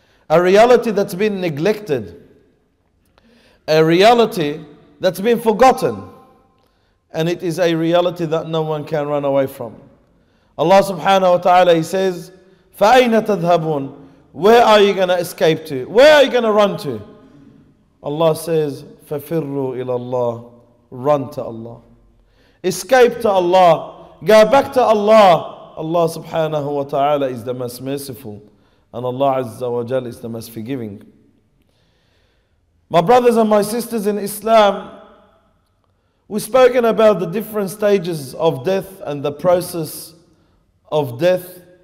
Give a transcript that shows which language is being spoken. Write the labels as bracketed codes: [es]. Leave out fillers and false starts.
[en] A reality that's been neglected. A reality that's been forgotten. And it is a reality that no one can run away from. Allah subhanahu wa ta'ala, he says, [ar] فَأَيْنَ تَذْهَبُونَ? [en] Where are you going to escape to? Where are you going to run to? Allah says, [ar] فَفِرُّوا إِلَى اللَّهِ. [en] Run to Allah. Escape to Allah. Go back to Allah. Allah subhanahu wa ta'ala is the most merciful, and Allah Azza wa Jal is the most forgiving. My brothers and my sisters in Islam, we've spoken about the different stages of death and the process of death.